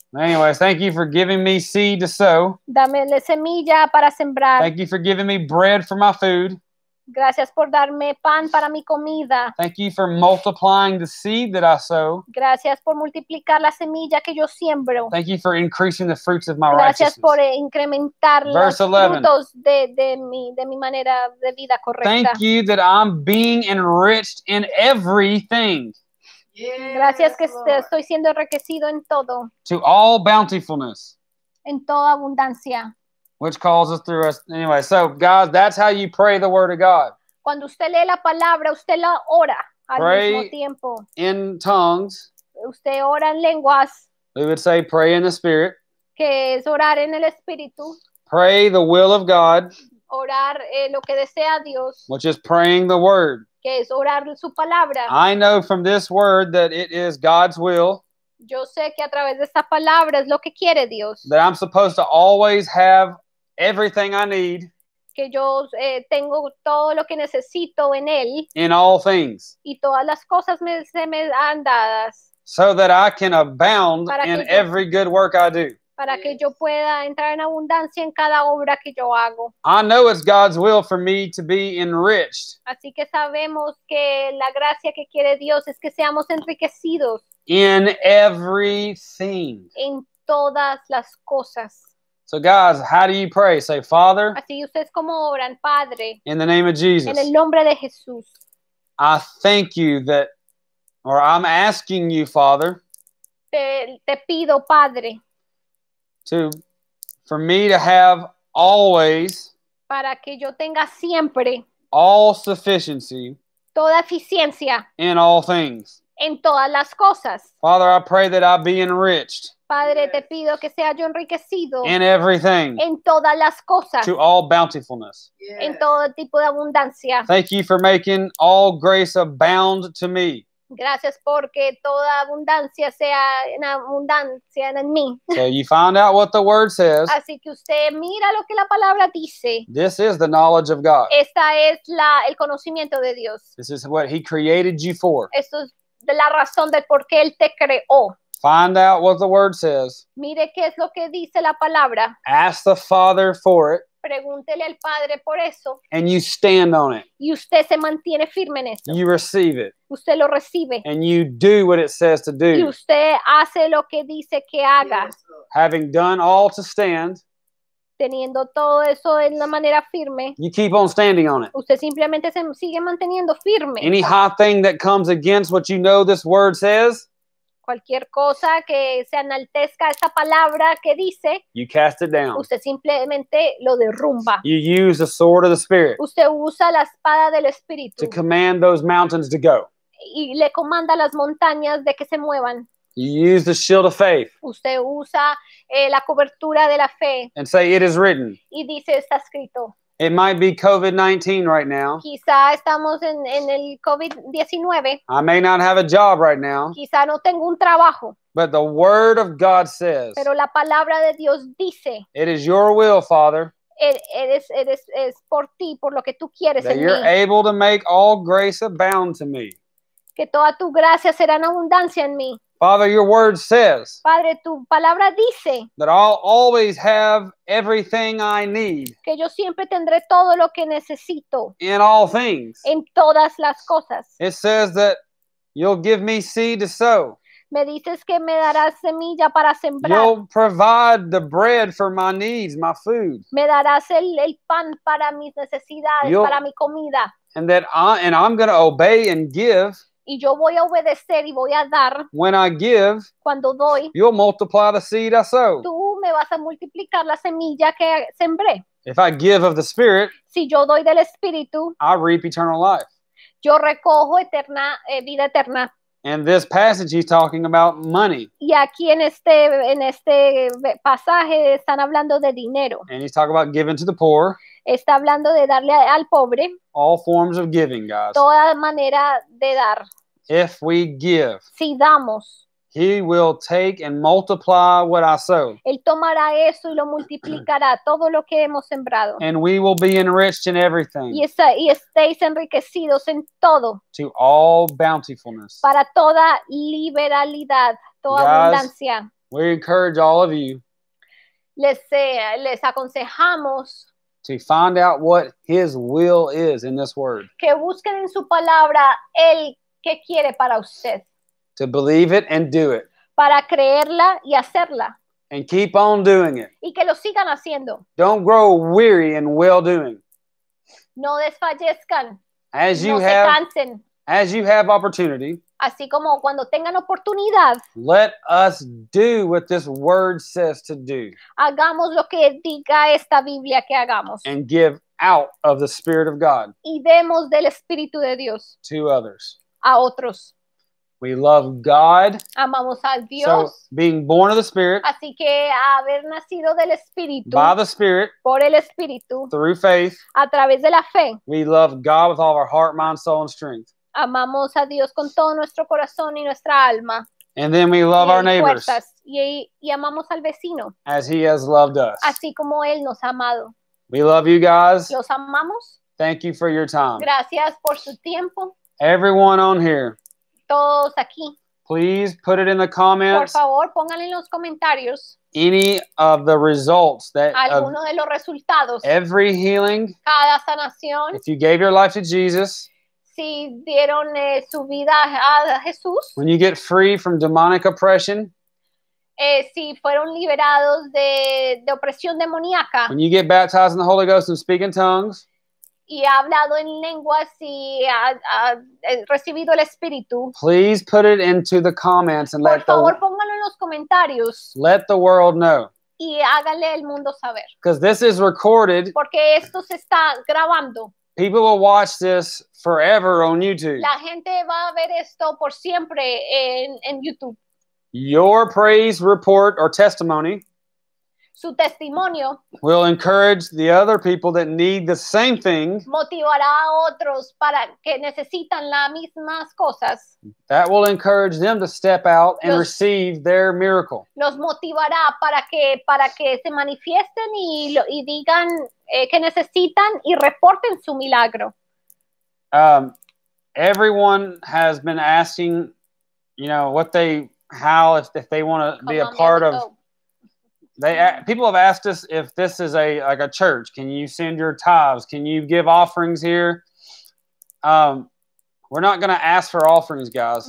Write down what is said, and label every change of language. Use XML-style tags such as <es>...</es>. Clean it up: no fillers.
<en>Anyways, thank you for giving me seed to sow.</en> <es>Dame la semilla para sembrar.</es> <en>Thank you for giving me bread for my food.</en> <es>Gracias por darme pan para mi comida.</es> <en>Thank you for multiplying the seed that I sow.</en> <es>Gracias por multiplicar la semilla que yo siembro.</es> <en>Thank you for increasing the fruits of my</en> <es>Gracias</es> <en>righteousness.</en> <es>Por incrementar</es> <en>Verse</en> <es>los</es> <en>11.</en> <es>Frutos de mi manera de vida correcta.</es> <en>Thank you that I'm being enriched in everything. Yes,</en> <es>Gracias que Lord. Estoy siendo enriquecido en todo.</es> <en>To all bountifulness.</en> <es>En toda abundancia.</es> <en>Which calls us through us. Anyway, so guys, that's how you pray the word of God.</en> <es>Cuando usted lee la palabra, usted la ora al</es> <en>pray</en> <es>mismo tiempo.</es> <en>In tongues.</en> <es>Usted ora en lenguas.</es> <en>We would say pray in the spirit.</en> <es>Que es orar en el espíritu.</es> <en>Pray the will of God.</en> <es>Orar lo que desea Dios.</es> <en>Which is praying the word.</en> <es>Que es orar su palabra.</es> <en>I know from this word that it is God's will.</en> <es>Yo sé que a través de esta palabra es lo que quiere Dios.</es> <en>That I'm supposed to always have everything I need.</en> <es>Que yo tengo todo lo que necesito en él.</es> <en>In all things.</en> <es>Y todas las cosas se me han dadas.</es> <en>So that I can abound in every good work I do.</en> <es>Para que yo pueda entrar en abundancia en cada obra que yo hago.</es> <en>I know it's God's will for me to be enriched.</en> <es>Así que sabemos que la gracia que quiere Dios es que seamos enriquecidos.</es> <en>In everything.</en> <es>En todas las cosas.</es> <en>So guys, how do you pray? Say, Father.</en> <es>Así ustedes como oran, Padre.</es> <en>In the name of Jesus.</en> <es>En el nombre de Jesús.</es> <en>I thank you that, or I'm asking you, Father.</en> <es>Te pido, Padre.</es> <en>For me to have always</en> <es>para que yo tenga siempre</es> <en>all sufficiency</en> <es>toda eficiencia</es> <en>in all things</en> <es>en todas las cosas</es> <en>Father I pray that I be enriched</en> <es>Padre te pido que sea yo enriquecido</es> <en>in everything</en> <es>en todas las cosas</es> <en>to all bountifulness</en> <es>en todo tipo de abundancia</es> <en>Thank you for making all grace abound to me</en> <es>Gracias porque toda abundancia sea en abundancia en mí.</es> <en>So you found out what the word says.</en> <es>Así que usted mira lo que la palabra dice.</es> <en>This is the knowledge of God.</en> <es>Esta es la el conocimiento de Dios.</es> <en>This is what he created you for.</en> <es>Esto es de la razón de por qué él te creó.</es> <en>Find out what the word says.</en> <es>Mire qué es lo que dice la palabra.</es> <en>Ask the Father for it.</en> <es>Pregúntele al Padre por eso.</es> <en>And you stand on it.</en> <es>Y usted se mantiene firme en eso.</es> <en>You receive it.</en> <es>Usted lo recibe.</es> <en>And you do what it says to do.</en> <es>Y usted hace lo que dice que haga.</es> <en>Having done all to stand.</en> <es>Teniendo todo eso en la manera firme.</es> <en>You keep on standing on it.</en> <es>Usted simplemente se sigue manteniendo firme.</es> <en>Any hot thing that comes against what you know this word says.</en> <es>Cualquier cosa que se enaltezca esa palabra que dice,</es> <en>you cast it down.</en> <es>Usted simplemente lo derrumba.</es> <en>You use the sword of the Spirit.</en> <es>Usted usa la espada del Espíritu.</es> <en>To command those mountains to go.</en> <es>Y le comanda las montañas de que se muevan.</es> <en>You use the shield of faith.</en> <es>Usted usa la cobertura de la fe.</es> <en>And say it is written.</en> <es>Y dice está escrito.</es> <en>It might be COVID-19 right now.</en> <es>Quizá estamos en el COVID-19.</es> <en>I may not have a job right now.</en> <es>Quizá no tengo un trabajo.</es> <en>But the word of God says.</en> <es>Pero la palabra de Dios dice.</es> <en>It is your will, Father.</en> <es>Es por ti, por lo que tú quieres en mí.</es> <en>That you're able to make all grace abound to me.</en> <es>Que toda tu gracia será en abundancia en mí.</es> <en>Father, your word says.</en> <es>Padre, tu palabra dice.</es> <en>That I'll always have everything I need.</en> <es>Que yo siempre tendré todo lo que necesito.</es> <en>In all things.</en> <es>En todas las cosas.</es> <en>It says that you'll give me seed to sow.</en> <es>Me dices que me darás semilla para sembrar.</es> <en>You'll provide the bread for my needs, my food.</en> <es>Me darás el pan para mis necesidades,</es> <en>you'll,</en> <es>para mi comida.</es> <en>And that I'm going to obey and give.</en> <es>Y yo voy a obedecer y voy a dar.</es> <en>When I give,</en> <es>cuando doy,</es> <en>you'll multiply the seed I sow.</en> <es>Tú me vas a multiplicar la semilla que sembré.</es> <en>If I give of the Spirit,</en> <es>si yo doy del Espíritu,</es> <en>I reap eternal life.</en> <es>Yo recojo eterna, vida eterna.</es> <en>And this passage he's talking about money.</en> <es>Y aquí en este pasaje están hablando de dinero.</es> <en>And he's talking about giving to the poor.</en> <es>Está hablando de darle al pobre.</es> <en>All forms of giving, guys.</en> <es>Toda manera de dar.</es> <en>If we give.</en> <es>Si damos.</es> <en>He will take and multiply what I sow.</en> <es>Él tomará eso y lo multiplicará, todo lo que hemos sembrado.</es> <en>And we will be enriched in everything.</en> <es>Y estéis enriquecidos en todo.</es> <en>To all bountifulness.</en> <es>Para toda liberalidad, toda</es> <en>guys,</en> <es>abundancia.</es> <en>We encourage all of you.</en> <es>Les aconsejamos.</es> <en>To find out what his will is in this word.</en> <es>Que busquen en su palabra el que quiere para usted.</es> <en>To believe it and do it.</en> <es>Para creerla y hacerla.</es> <en>And keep on doing it.</en> <es>Y que lo sigan haciendo.</es> <en>Don't grow weary in well doing.</en> <es>No desfallezcan.</es> <en>As you</en> <es>no</es> <en>have,</en> <es>se cansen.</es> <en>As you have opportunity.</en> <es>Así como cuando tengan oportunidad.</es> <en>Let us do what this word says to do.</en> <es>Hagamos lo que diga esta Biblia que hagamos.</es> <en>And give out of the Spirit of God.</en> <es>Y demos del Espíritu de Dios.</es> <en>To others.</en> <es>A otros.</es> <en>We love God.</en> <es>Amamos a Dios.</es> <en>So being born of the Spirit.</en> <es>Así que haber nacido del Espíritu.</es> <en>By the Spirit.</en> <es>Por el Espíritu.</es> <en>Through faith.</en> <es>A través de la fe.</es> <en>We love God with all of our heart, mind, soul, and strength.</en> <es>Amamos a Dios con todo nuestro corazón y nuestra alma.</es> <en>And then we love our neighbors.</en> <es>Y amamos al vecino.</es> <en>As he has loved us.</en> <es>Así como él nos ha amado.</es> <en>We love you guys.</en> <es>Los amamos.</es> <en>Thank you for your time.</en> <es>Gracias por su tiempo.</es> <en>Everyone on here.</en> <es>Todos aquí.</es> <en>Please put it in the comments.</en> <es>Por favor, pónganle en los comentarios.</es> <en>Any of the results that</en> <es>alguno de los resultados.</es> <en>Every healing.</en> <es>Cada sanación.</es> <en>If you gave your life to Jesus.</en> <es>Si dieron su vida a Jesús.</es> <en>When you get free from demonic oppression.</en> <es>Si fueron liberados de opresión demoníaca.</es> <en>When you get baptized in the Holy Ghost and speak in tongues.</en> <es>Y ha hablado en lenguas y ha recibido el Espíritu.</es> <en>Please put it into the comments and</en> <es>por</es> <en>let</en> <es>favor,</es> <en>the,</en> <es>pónganlo en los comentarios.</es> <en>Let the world know.</en> <es>Y háganle el mundo saber.</es> <en>Because this is recorded.</en> <es>Porque esto se está grabando.</es> <en>People will watch this forever on YouTube.</en> <es>La gente va a ver esto por siempre en YouTube.</es> <en>Your praise report or testimony.</en> <es>su testimonio.</es> <en>Will encourage the other people that need the same thing.</en> <es>Motivará a otros para que necesitan las mismas cosas.</es> <en>That will encourage them to step out and receive their miracle.</en> <es>Los motivará para que se manifiesten y digan que necesitan y reporten su milagro.</es> <en>Everyone has been asking, you know, if they want to be a part of. People have asked us if this is a church. Can you send your tithes? Can you give offerings here? We're not going to ask for offerings, guys.</en>